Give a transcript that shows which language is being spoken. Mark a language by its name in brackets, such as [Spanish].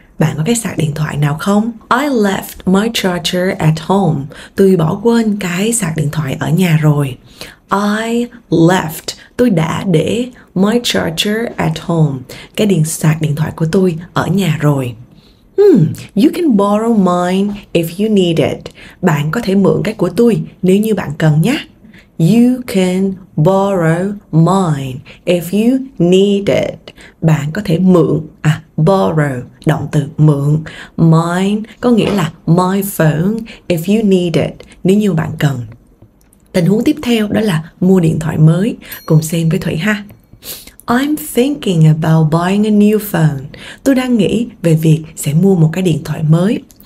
[Vietnamese] Bạn có cái sạc điện thoại nào không? [English] I left my charger at home. [Vietnamese] Tôi bỏ quên cái sạc điện thoại ở nhà rồi. [English] I left. [Vietnamese] Tôi đã để [English] my charger at home. [Vietnamese] Cái điện sạc điện thoại của tôi ở nhà rồi. [English] You can borrow mine if you need it. [Vietnamese] Bạn có thể mượn cái của tôi nếu như bạn cần nhé. [English] You can borrow mine if you need it. [Vietnamese] Bạn có thể mượn, borrow, động từ mượn. Mine có nghĩa là [English] my phone if you need it, [Vietnamese] nếu như bạn cần. Tình huống tiếp theo đó là mua điện thoại mới. Cùng xem với Thủy ha. [English] I'm thinking about buying a new phone. [Vietnamese] Tôi đang nghĩ về việc sẽ mua một cái điện thoại mới.